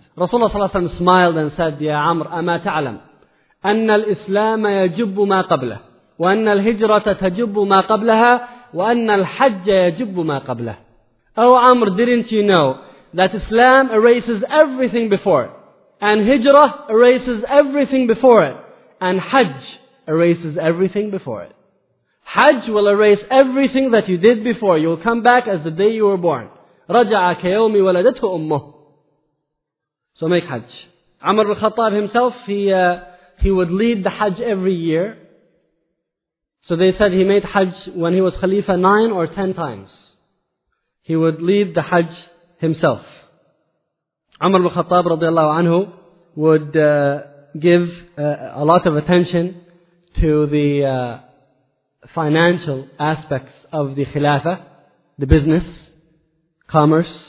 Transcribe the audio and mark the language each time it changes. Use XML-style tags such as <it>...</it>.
<en>Rasulullah ﷺ smiled and said, Ya Amr,</en> <ar>أَمَا تَعْلَمْ أَنَّ الْإِسْلَامَ يَجُبُّ مَا قَبْلَهُ</ar> <en>وَأَنَّ الْهِجْرَةَ تَجُبُّ مَا قَبْلَهَا وَأَنَّ الْحَجَّ يَجُبُّ مَا قَبْلَهُ Oh Amr, didn't you know that Islam erases everything before it, and Hijrah erases everything before it, and Hajj erases everything before it. Hajj will erase everything that you did before. You will come back as the day you were born.</en> <ar>رَجَعَ كَيَوْمِ وَلَدَتْهُ أُمُّهُ</ar> <en>So make Hajj. Amr al-Khattab himself, he would lead the Hajj every year. So they said he made Hajj when he was Khalifa 9 or 10 times. He would lead the Hajj himself. Umar ibn Khattab radiallahu anhu would give a lot of attention to the financial aspects of the Khilafah, the business, commerce.</en>